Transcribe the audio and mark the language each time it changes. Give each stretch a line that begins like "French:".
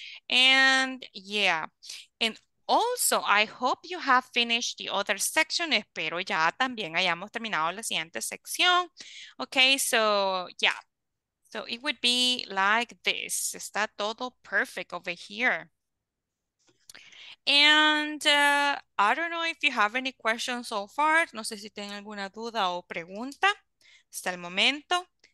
English: And yeah, and also I hope you have finished the other section.
Spanish: Espero ya también hayamos terminado la siguiente sección.
English: Okay, so yeah. So it would be like this.
Spanish: Está todo
English: perfect over here. And I don't know if you have any questions so far.
Spanish: No sé si tienen alguna duda o pregunta hasta el momento.